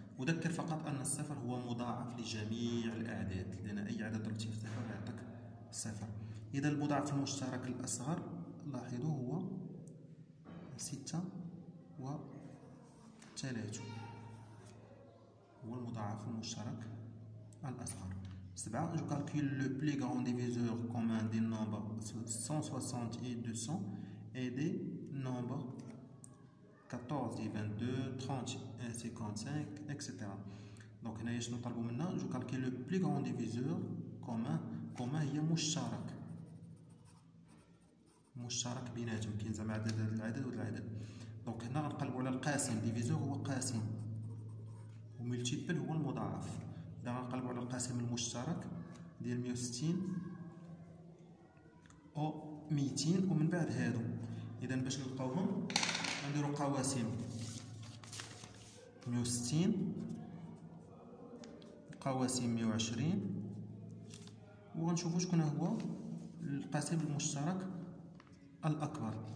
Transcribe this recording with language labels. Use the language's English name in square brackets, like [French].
[Arabic] وذكر فقط أن الصفر هو مضاعف لجميع الأعداد، لأن أي عدد ضربتيه في صفر يعطيك صفر. إذا المضاعف المشترك الأصغر لاحظوا هو 6 و 30، هو المضاعف المشترك الأصغر. [French] 7، je calcule le plus grand diviseur commun des nombres 160 et 200 et des nombres 14 et 22, 30 et 55, etc. Donc, maintenant, je calcule le plus grand diviseur commun. Commun, il y a Moucharak. Moucharak, bien sûr, qui est un nombre de l'addition. Donc, on va calculer le Qasim. Diviseur, c'est Qasim. Et multiple, c'est le Moudaaf. On va calculer le Qasim, le Moucharak. C'est 160 [Arabic] او 200 ومن بعد هادو. اذا باش نلقاوهم نديرو قواسم 160 قواسم 120 وغنشوفو شكون هو القاسم المشترك الاكبر.